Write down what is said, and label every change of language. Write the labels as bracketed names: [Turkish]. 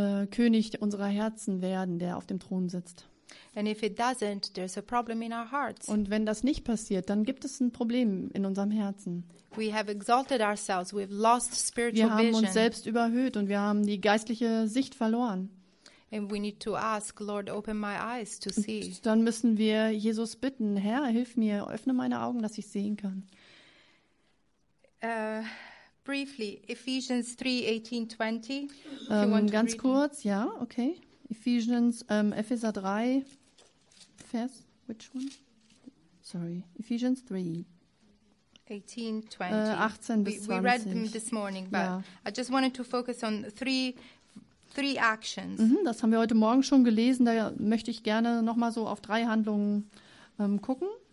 [German] König unserer Herzen werden, der auf dem Thron sitzt. [English] And if it doesn't, there's a problem in our hearts. [German] Und wenn das nicht passiert, dann gibt es ein Problem in unserem Herzen. [English] We have exalted ourselves. We've lost spiritual vision. [German] Wir haben uns selbst überhöht und wir haben die geistliche Sicht verloren. [English] And we need to ask, Lord, open my eyes to see. [German] Und dann müssen wir Jesus bitten, Herr, hilf mir, öffne meine Augen, dass ich sehen kann. [English] Briefly, Ephesians 3:18-20. [German] Ganz kurz, ja, okay. Epheser 3, Vers, [English] which one? Sorry, Ephesians 3. [German] 18 bis 20. [English] We read them this morning, but yeah. I just wanted to focus on three actions. [German] Mm-hmm, das haben wir heute Morgen schon gelesen, da möchte ich gerne nochmal so auf drei Handlungen gucken.